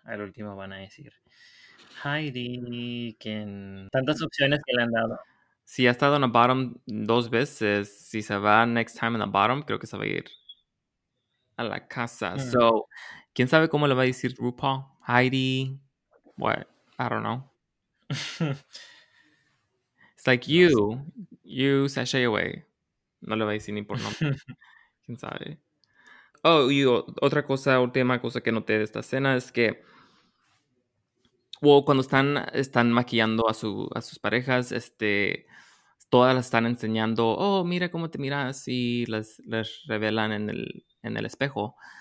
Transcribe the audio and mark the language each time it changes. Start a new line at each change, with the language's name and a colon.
Spanish: Al último van a decir Heidi, quien... Tantas opciones que le han dado. Si ha estado en
English: the bottom
Spanish: dos veces, si se va
English: next time in the bottom,
Spanish: creo que se va a ir a la casa. Mm-hmm. So, ¿quién sabe cómo le va a decir RuPaul?
English: Heidi, what? I don't know. It's like you sashay away.
Spanish: No le va a decir ni por nombre. ¿Quién sabe? Oh, y otra cosa, última cosa que noté de esta escena es que cuando están maquillando a sus parejas, todas las están enseñando, oh, mira cómo te miras, y las revelan en el espejo.